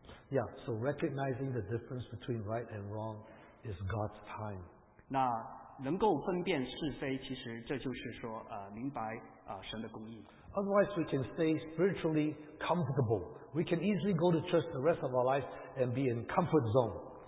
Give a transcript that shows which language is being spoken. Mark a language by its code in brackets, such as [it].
[en] Yeah, so recognizing the difference between right and wrong is God's time. [zh] 那能够分辨是非，其实这就是说明白神的公义。 [en] Otherwise, we can stay spiritually comfortable. We can easily go to church the rest of our lives and be in comfort zone.